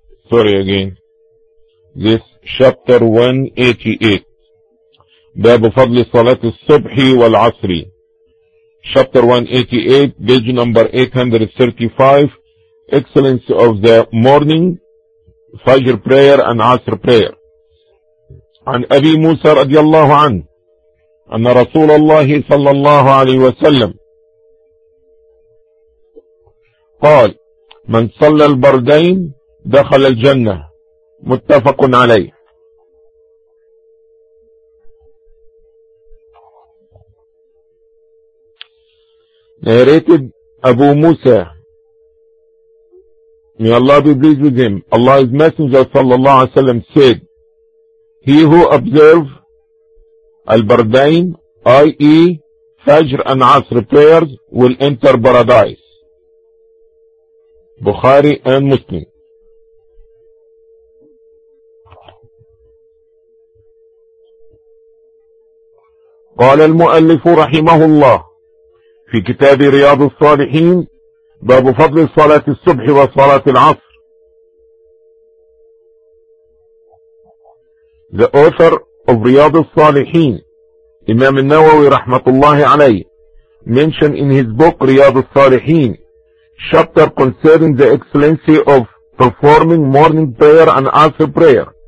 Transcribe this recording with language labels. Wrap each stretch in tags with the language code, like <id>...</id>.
<en>Sorry again. This chapter 188.</en> <ar>باب فضل صلاة الصبح والعصر.</ar> <en>Chapter 188, page number 835. Excellence of the morning, Fajr prayer and Asr prayer.</en> <ar>عن أبي موسى رضي الله عنه أن رسول الله صلى الله عليه وسلم قال من صلى البردين دخل الجنة. متفق عليه.</ar> <en>Narrated Abu Musa, may Allah be pleased with him, Allah's Messenger sallallahu alayhi wa sallam said, he who observe al-bardain, i.e. Fajr and Asr prayers, will enter paradise. Bukhari and Muslim.</en> <ar>قال المؤلف رحمه الله في كتاب رياض الصالحين باب فضل صلاة الصبح وصلاة العصر.</ar> <en>The author of رياض الصالحين, Imam al-Nawawi rahmatullahi alayhi, mentioned in his book رياض الصالحين chapter concerning the excellency of performing morning prayer and Asr prayer.</en>